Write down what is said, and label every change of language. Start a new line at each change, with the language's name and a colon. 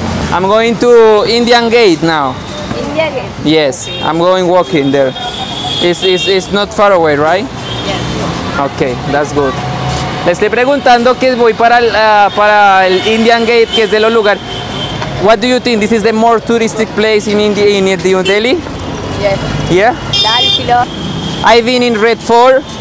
English: I'm going to Indian Gate now. Yes, I'm going walking there. It's not far away, right? Yes. Okay, that's good.
Spanish: Le estoy preguntando que voy para el Indian Gate, que es de los lugares.
English: What do you think? This is the more touristic place in India, in New Delhi? Yes. Yeah? That is a lot. I've been in Red Fort.